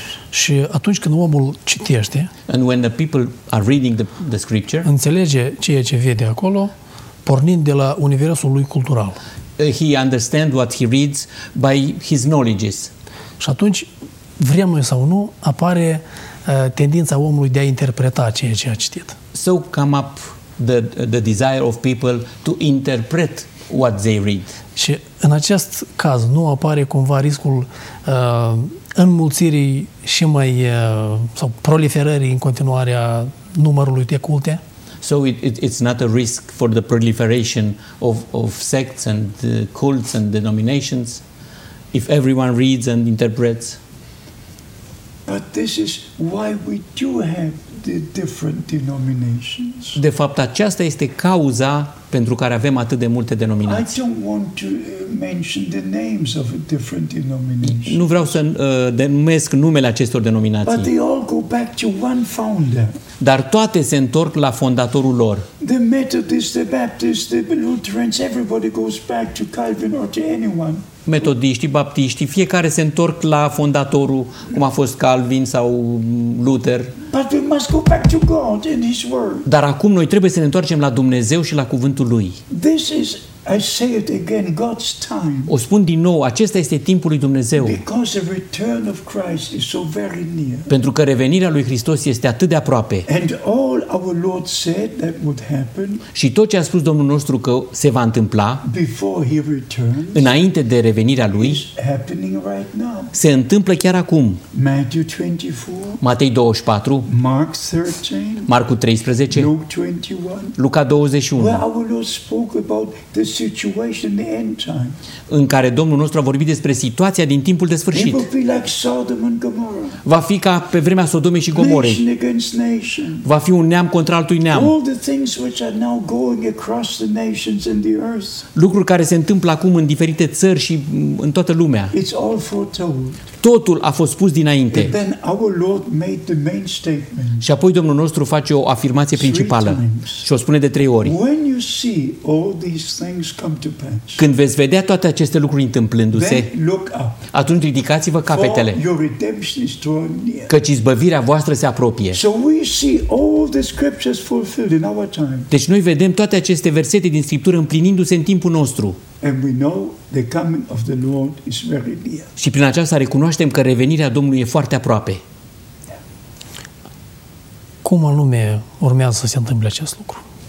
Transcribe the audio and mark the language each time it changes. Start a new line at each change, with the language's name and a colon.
Romanian: Și atunci când omul citește,
English: and when the people are reading the scripture,
Romanian: înțelege ceea ce vede acolo, pornind de la universul lui cultural.
English: He understands what he reads by his knowledges.
Romanian: Și atunci, vrem noi sau nu, apare tendința omului de a interpreta ceea ce a citit.
English: So come up the desire of people to interpret what they read.
Romanian: Și în acest caz nu apare cumva riscul înmulțirii și mai sau proliferării în continuare a numărului de culte?
English: So it's not a risk for the proliferation of sects and cults and denominations if everyone reads and interprets. But this is why we do have the different denominations.
Romanian: De fapt, aceasta este cauza pentru care avem atât de multe denominații.
English: I don't want to mention the names of different denominations.
Romanian: Nu vreau să denumesc numele acestor denominații.
English: But they all go back to one founder.
Romanian: Dar toate se întorc la fondatorul lor.
English: The Methodists, the Baptists, the Lutherans, everybody goes back to Calvin or to anyone.
Romanian: Metodiștii, baptiștii, fiecare se întorc la fondatorul, cum a fost Calvin sau Luther.
English: But we must go back to God and his word.
Romanian: Dar acum noi trebuie să ne întoarcem la Dumnezeu și la cuvântul lui.
English: This is, I say it again, God's time.
Romanian: O spun din nou, acesta este timpul lui Dumnezeu.
English: Because the return of Christ is so very near.
Romanian: Pentru că revenirea lui Hristos este atât de aproape.
English: And all our Lord said that would happen.
Romanian: Și tot ce a spus Domnul nostru că se va întâmpla
English: before he returns,
Romanian: înainte de revenirea lui,
English: is happening right now.
Romanian: Se întâmplă chiar acum.
English: Matthew 24,
Romanian: Matei 24,
English: Mark 13,
Romanian: Marcu 13,
English: Luke 21,
Romanian: Luca 21,
English: where our Lord spoke about the situation, the end time.
Romanian: În care Domnul nostru a vorbit despre situația din timpul de sfârșit.
English: It will be like Sodom and Gomorrah.
Romanian: Va fi ca pe vremea Sodomei și Gomorei.
English: Nation against nation.
Romanian: Va fi un neam contra altui neam.
English: All the things which are now going across the nations and the earth.
Romanian: Lucruri care se întâmplă acum în diferite țări și în toată lumea.
English: It's all foretold.
Romanian: Totul a fost spus dinainte.
English: And then our Lord made the main statement.
Romanian: Și apoi Domnul nostru face o afirmație principală. Și o spune de trei ori.
English: When you see all these things come to pass,
Romanian: când veți vedea toate aceste lucruri întâmplându-se,
English: then look up,
Romanian: atunci ridicați-vă capetele.
English: For your redemption is drawing near.
Romanian: Căci izbăvirea voastră se apropie.
English: So we see all the scriptures fulfilled in our time.
Romanian: Deci noi vedem toate aceste versete din Scriptură împlinindu-se în timpul nostru.
English: And we know the coming of the Lord is very near.
Romanian: Și prin aceasta recunoaștem că revenirea Domnului e foarte aproape. Cum anume urmează să se întâmple acest lucru?